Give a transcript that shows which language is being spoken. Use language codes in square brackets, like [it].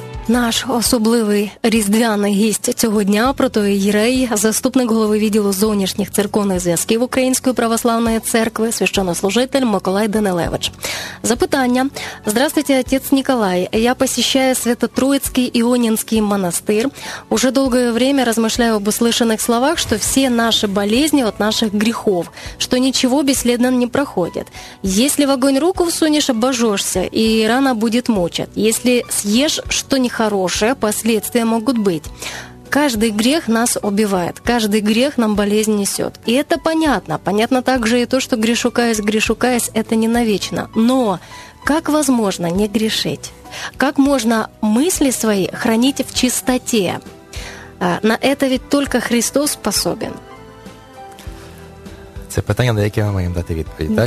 [uk] наш особливий різдвяний гість цього дня, протоієрей, заступник голови відділу зовнішніх церковних зв'язків Української православної церкви, священнослужитель Миколай Данилевич. [ru] Запитання. Здравствуйте, отець Николай. Я посещаю Свято-Троицкий Ионинский монастир. Уже долгое время размышляю об услышанных словах, что все наши болезни от наших грехов, что ничего бесследно не проходит. Если в огонь руку всунешь, обожжешься, и рана будет мучать. Если съешь что нехорошее, последствия могут быть. Каждый грех нас убивает, каждый грех нам болезнь несет. И это понятно. Понятно также и то, что грешу каясь, это не навечно. Но как возможно не грешить? Как можно мысли свои хранить в чистоте? На это ведь только Христос способен. [uk] Це питання, на яке ми маємо дати відповідь, так?